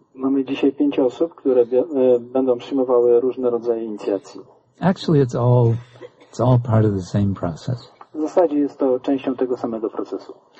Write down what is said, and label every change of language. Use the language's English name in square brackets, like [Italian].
[Polish] Mamy dzisiaj pięć osób, które będą przyjmowały różne rodzaje inicjacji. [English] Actually it's all part of the same process. [Polish] W zasadzie jest to częścią tego samego procesu.